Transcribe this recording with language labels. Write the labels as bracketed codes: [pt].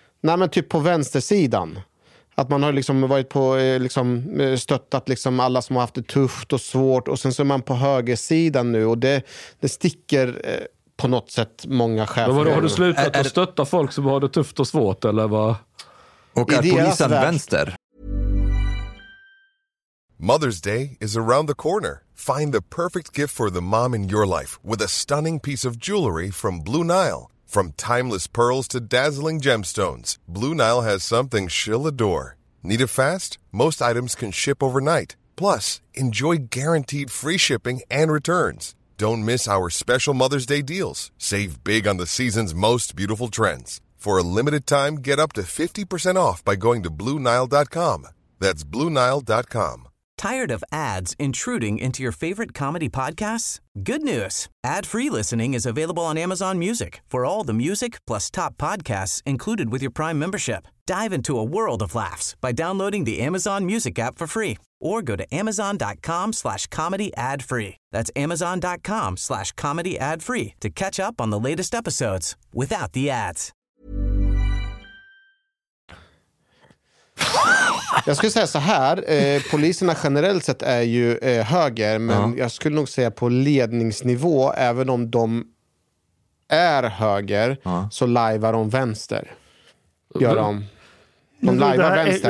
[sv] Nej, men typ på vänstersidan. Att man har liksom varit på, liksom, stöttat liksom alla som har haft det tufft och svårt, och sen så är man på högersidan nu och det sticker på något sätt många chefer. Men vadå, har du slutat att stötta folk som har det tufft och svårt eller vad? Och är polisen värld vänster? [en] Mother's Day is around the corner. Find the perfect gift for the mom in your life with a stunning piece of jewelry from Blue Nile. From timeless pearls to dazzling gemstones, Blue Nile has something she'll adore. Need it fast? Most items can ship overnight. Plus, enjoy guaranteed free shipping and returns. Don't miss our special Mother's Day deals. Save big on the season's most beautiful trends. For a limited time, get up to 50% off by going to BlueNile.com. That's BlueNile.com. Tired of ads intruding into your favorite comedy podcasts? Good news. Ad-free listening is available on Amazon Music for all the music plus top podcasts included with your Prime membership. Dive into a world of laughs by downloading the Amazon Music app for free or go to amazon.com/comedyadfree. That's amazon.com/comedyadfree to catch up on the latest episodes without the ads. [sv] Jag skulle säga så här, poliserna generellt sett är ju höger, men jag skulle nog säga på ledningsnivå, även om de är höger, så lajvar de vänster. Gör de. De lajvar vänster.